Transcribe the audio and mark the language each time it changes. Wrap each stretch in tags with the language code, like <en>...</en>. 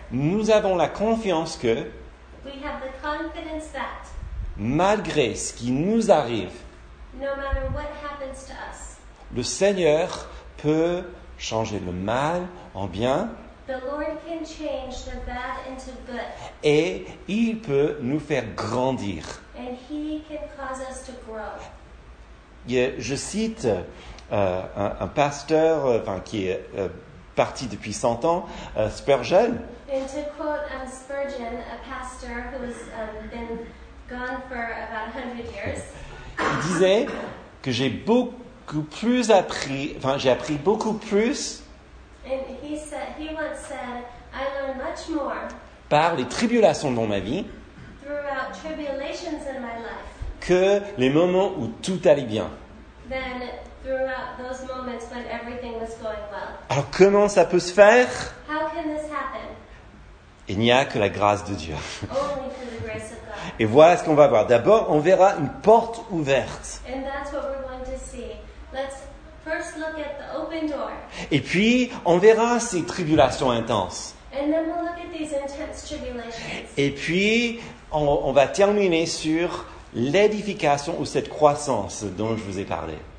<fr>nous avons la confiance que,</fr> <en>we have the confidence that,</en> <fr>malgré ce qui nous arrive,</fr> <en>no matter what happens to us,</en> <fr>le Seigneur peut changer le mal en bien.</fr> <en>The Lord can change the bad into good.</en> <fr>Et il peut nous faire grandir.</fr> <en>And he can cause us to grow.</en> <fr>Je cite un pasteur qui est parti depuis 100 ans, Spurgeon.</fr> <en>And to quote Spurgeon, a pastor who's been gone for about 100 years.</en> <fr>Il disait que j'ai beaucoup plus appris, j'ai appris beaucoup plus.</fr> <en>And he said, he once said, I learned much more</en> <fr>par les tribulations dans ma vie</fr> <en>throughout tribulations in my life,</en> <fr>que les moments où tout allait bien.</fr> <en>Then throughout those moments when everything was going well.</en> <fr>Alors comment ça peut se faire?</fr> <en>How can this happen?</en> <fr>Il n'y a que la grâce de Dieu.</fr> <en>Only through the grace of God.</en> <fr>Et voilà ce qu'on va voir. D'abord, on verra une porte ouverte.</fr> <en>And that's what we're going to see. Let's first look at the open door.</en> <fr>Et puis, on verra ces tribulations intenses.</fr> <en>And then we'll look at these intense tribulations.</en> <fr>Et puis, on va terminer sur l'édification ou cette croissance dont je vous ai parlé.</fr>